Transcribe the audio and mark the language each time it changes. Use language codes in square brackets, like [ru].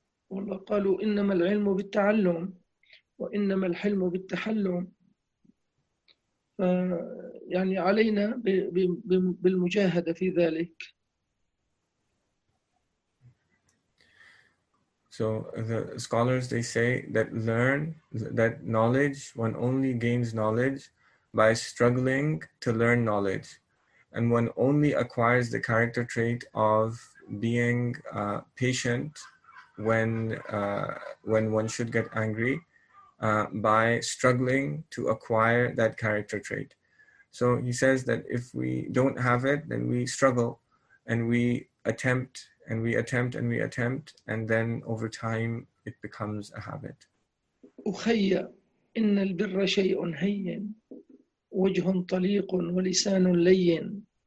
[ar] والله قالوا إنما العلم بالتعلم وإنما الحلم بالتحلم، يعني علينا بالمجاهدة في ذلك. [en] So the scholars, they say that learn, that knowledge, one only gains knowledge by struggling to learn knowledge. And one only acquires the character trait of being patient when one should get angry by struggling to acquire that character trait. So he says that if we don't have it, then we struggle and we attempt and we attempt and we attempt, and then over time it becomes a habit. [ar] أخي إن البر شيء هين وجه طليق ولسان لين.